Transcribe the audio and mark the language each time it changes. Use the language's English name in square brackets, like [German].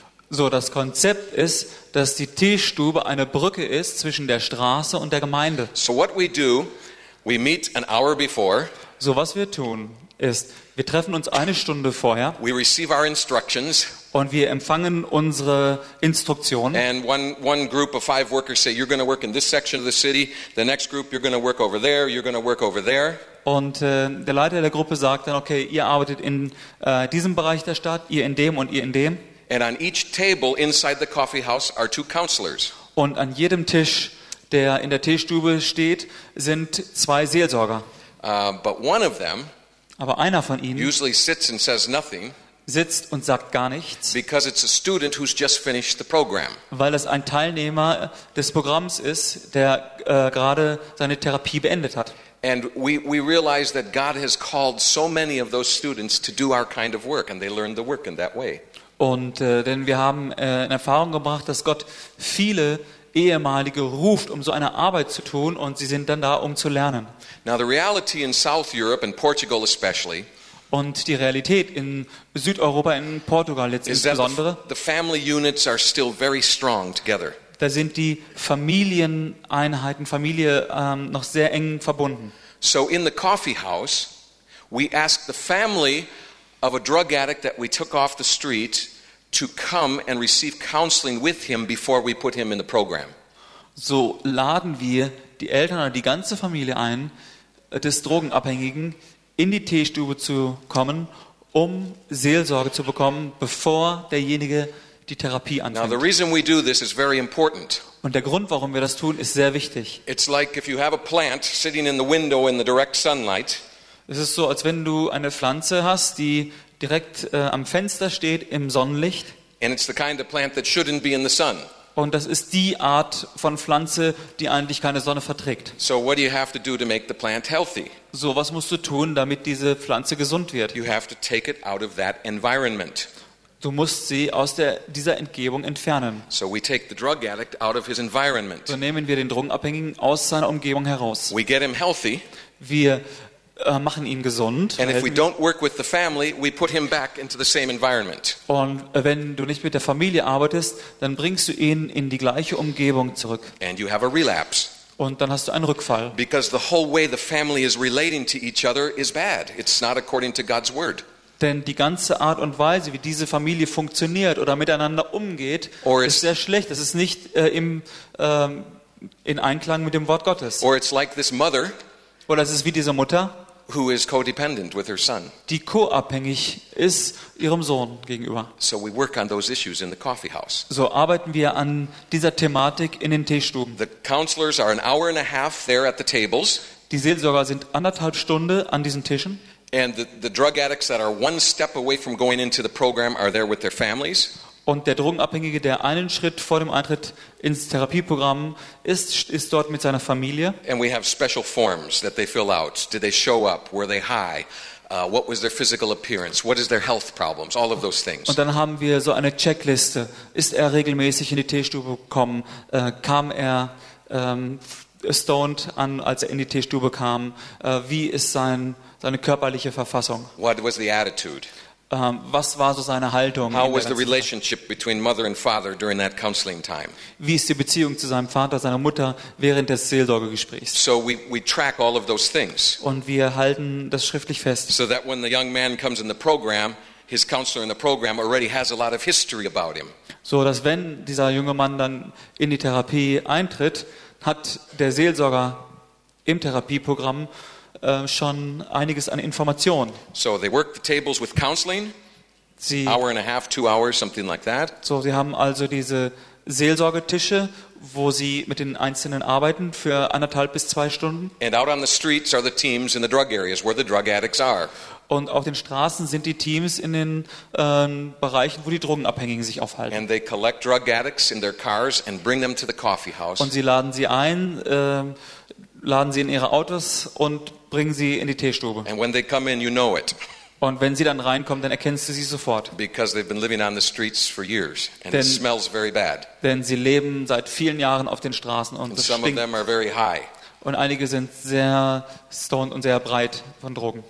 [German] So, das Konzept ist, dass die Teestube eine Brücke ist zwischen der Straße und der Gemeinde. [English] So what we do, we meet an hour before. [German] So was wir tun, ist, wir treffen uns eine Stunde vorher. [English] We receive our instructions. [German] Und wir empfangen unsere Instruktionen. [English] And one group of five workers say, you're going to work in this section of the city. The next group, you're going to work over there. You're going to work over there. [German] Und der Leiter der Gruppe sagt dann, okay, ihr arbeitet in diesem Bereich der Stadt, ihr in dem und ihr in dem. [English] And on each table inside the coffee house are two counselors. [German] Und an jedem Tisch, der in der Teestube steht, sind zwei Seelsorger. [English] But one of them, [German] aber einer von ihnen, [English] usually sits and says nothing. [German] Sitzt und sagt gar nichts. [English] Because it's a student who's just finished the program. [German] Weil es ein Teilnehmer des Programms ist, der gerade seine Therapie beendet hat. [English] And we realize that God has called so many of those students to do our kind of work, and they learn the work in that way. [German] Und denn wir haben in Erfahrung gebracht, dass Gott viele Ehemalige ruft, um so eine Arbeit zu tun, und sie sind dann da, um zu lernen. [English] Now the reality in South Europe and Portugal especially. [German] Und die Realität in Südeuropa, in Portugal jetzt insbesondere. [English] The family units are still very strong together. [German] Da sind die Familieneinheiten, Familie noch sehr eng verbunden. [English] So in the coffee house, we ask the family of a drug addict that we took off the street to come and receive counseling with him before we put him in the program. [German] So laden wir die Eltern oder die ganze Familie ein, des Drogenabhängigen in die Teestube zu kommen, um Seelsorge zu bekommen, bevor derjenige die Therapie anfängt. [English] Now the reason we do this is very important. [German] Und der Grund, warum wir das tun, ist sehr wichtig. [English] It's like if you have a plant sitting in the window in the direct sunlight. [German] Es ist so, als wenn du eine Pflanze hast, die direkt am Fenster steht im Sonnenlicht. [English] And it's the kind of plant that shouldn't be in the sun. [German] Und das ist die Art von Pflanze, die eigentlich keine Sonne verträgt. [English] So what do you have to do to make the plant healthy? [German] So was musst du tun, damit diese Pflanze gesund wird? [English] You have to take it out of that environment. [German] Du musst sie aus dieser Umgebung entfernen. [English] So we take the drug addict out of his environment. [German] So nehmen wir den Drogenabhängigen aus seiner Umgebung heraus. [English] We get him healthy. [German] Wir machen ihn gesund. [English] And if we don't work with the family, we put him back into the same environment. [German] Und wenn du nicht mit der Familie arbeitest, dann bringst du ihn in die gleiche Umgebung zurück. [English] And you have a relapse. [German] Und dann hast du einen Rückfall. [English] Because the whole way the family is relating to each other is bad. It's not according to God's word. [German] Denn die ganze Art und Weise, wie diese Familie funktioniert oder miteinander umgeht, ist sehr schlecht. Es ist nicht in Einklang mit dem Wort Gottes. [English] Or it's like this mother. [German] Oder es ist wie diese Mutter, [English] who is codependent with her son. [German] Die co-abhängig ist ihrem Sohn gegenüber. [English] So we work on those issues in the coffee house. [German] So arbeiten wir an dieser Thematik in den Teestuben. [English] The counselors are an hour and a half there at the tables. [German] Die Seelsorger sind anderthalb Stunde an diesen Tischen. [English] And the drug addicts that are one step away from going into the program are there with their families. [German] Und der Drogenabhängige, der einen Schritt vor dem Eintritt ins Therapieprogramm ist dort mit seiner Familie. [English] And we have special forms that they fill out. Did they show up? Were they high? What was their physical appearance? What is their health problems? All of those things. [German] Und dann haben wir so eine Checkliste. Ist er regelmäßig in die Teestube gekommen? Kam er stoned an, als er in die Teestube kam? Wie ist seine körperliche Verfassung? [English] What was the attitude? [German] Was war so seine Haltung? [English] How was the relationship between mother and father during that counseling time? [German] Wie ist die Beziehung zu seinem Vater, seiner Mutter während des Seelsorgegesprächs? [English] So we track all of those things. [German] Und wir halten das schriftlich fest. [English] So that when the young man comes in the program, his counselor in the program already has a lot of history about him. [German] So dass wenn dieser junge Mann dann in die Therapie eintritt, hat der Seelsorger im Therapieprogramm schon einiges an Informationen. [English] So they work the tables with counseling. [German] Sie, [English] hour and a half, 2 hours, something like that. [German] So sie haben also diese Seelsorgetische, wo sie mit den Einzelnen arbeiten für 1,5 bis 2 Stunden. [English] And out on the streets are the teams in the drug areas where the drug addicts are. [German] Und auf den Straßen sind die Teams in den Bereichen, wo die Drogenabhängigen sich aufhalten. [English] And they collect drug addicts in their cars and bring them to the coffee house. [German] Und sie laden sie ein, laden sie in ihre Autos und bringen sie in die Teestube. [English] And when they come in, you know it. [German] Und wenn sie dann reinkommen, dann erkennst du sie sofort. [English] Because they've been living on the streets for years and it smells very bad. [German] Denn sie leben seit vielen Jahren auf den Straßen und es stinkt. [English] Some of them are very high. [German] Und einige sind sehr stoned und sehr breit von Drogen.